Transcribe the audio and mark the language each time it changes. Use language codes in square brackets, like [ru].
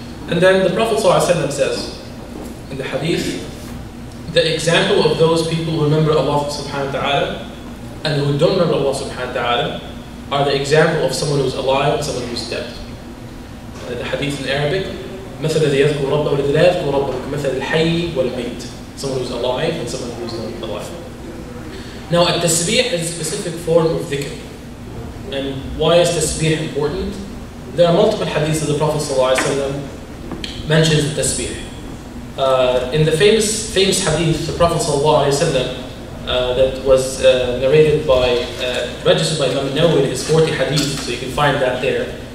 [en] And then the Prophet ﷺ says in the hadith, the example of those people who remember Allah subhanahu wa ta'ala and who don't remember Allah subhanahu wa ta'ala are the example of someone who's alive and someone who's dead. The hadith in Arabic, [ar] مثل الذي يذكر ربه والذي لا يذكر ربه مثل الحي والميت. [en] Someone who's alive and someone who's not alive. Now, a tasbih is a specific form of dhikr. And why is tasbih important? There are multiple hadiths of the Prophet ﷺ mentions the tasbih. In the famous hadith, the Prophet that was narrated by, registered by Imam Nawawi, in his 40 hadith, so you can find that there.